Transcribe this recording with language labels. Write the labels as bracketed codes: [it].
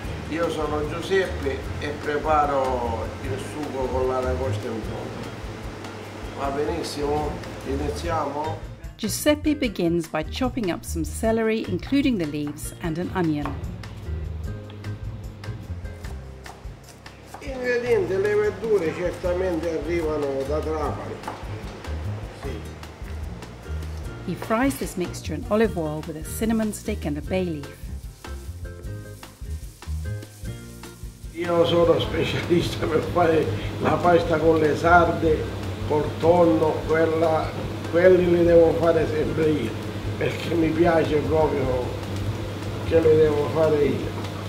[it] Io sono Giuseppe e preparo il sugo con l'aragosta in fondo. Va benissimo, iniziamo. [en] Giuseppe begins by chopping up some celery, including the leaves, and an onion. [it] I ingredienti, le verdure certamente arrivano da Trapani. Sì. [en] He fries this mixture in olive oil with a cinnamon stick and a bay leaf. [it] Io sono specialista per fare la pasta con le sarde. Col tonno, quelli li devo fare sempre io, perché mi piace proprio che li devo fare io.